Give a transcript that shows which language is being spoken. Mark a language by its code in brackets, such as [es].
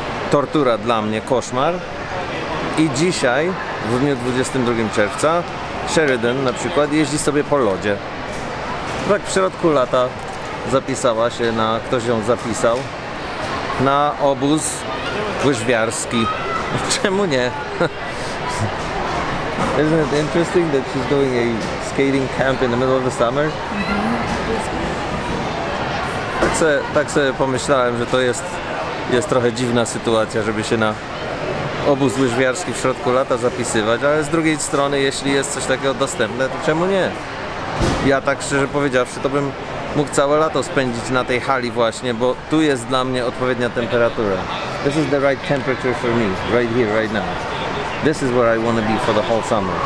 [pl] Tortura dla mnie, koszmar. I dzisiaj, w dniu 22 czerwca, Sheridan na przykład jeździ sobie po lodzie. Tak w środku lata zapisała się na, ktoś ją zapisał, na obóz łyżwiarski. Czemu nie? [en] Isn't it interesting that she's doing a skating camp in the middle of the summer? [pl] Tak se pomyślałem, że to jest trochę dziwna sytuacja, żeby się na obóz łyżwiarski w środku lata zapisywać, ale z drugiej strony, jeśli jest coś takiego dostępne, to czemu nie? Ja tak szczerze powiedziawszy, to bym mógł całe lato spędzić na tej hali właśnie, bo tu jest dla mnie odpowiednia temperatura. [en] This is the right temperature for me, right here, right now. This is where I want to be for the whole summer.